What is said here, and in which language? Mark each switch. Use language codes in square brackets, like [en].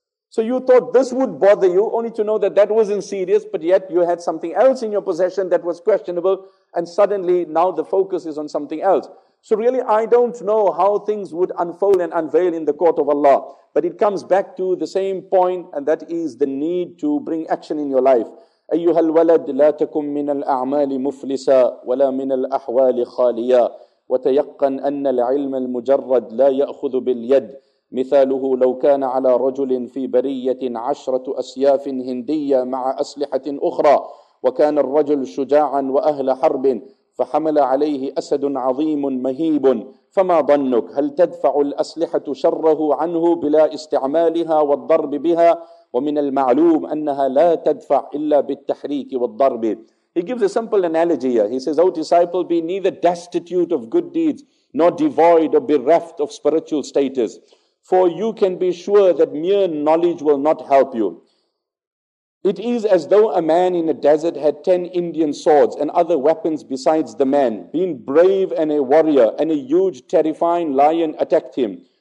[en] So you thought this would bother you, only to know that that wasn't serious, but yet you had something else in your possession that was questionable, and suddenly now the focus is on something else. So really, I don't know how things would unfold and unveil in the court of Allah, but it comes back to the same point, and that is the need to bring action in your life. [ar] أيها الولد لا تكن من الأعمال مفلسا ولا من الأحوال خاليا وتيقن أن العلم المجرد لا يأخذ باليد مثاله لو كان على رجل في برية عشرة أسياف هندية مع أسلحة أخرى وكان الرجل شجاعا وأهل حرب فحمل عليه أسد عظيم مهيب فما ظنك هل تدفع الأسلحة شره عنه بلا استعمالها والضرب بها ومن المعلوم أنها لا تدفع إلا بالتحريك والضرب. [en] He gives a simple analogy here. He says, O disciple, be neither destitute of good deeds nor devoid or bereft of spiritual status. For you can be sure that mere knowledge will not help you. It is as though a man in a desert had 10 Indian swords and other weapons besides the man. Being brave and a warrior and a huge terrifying lion attacked him.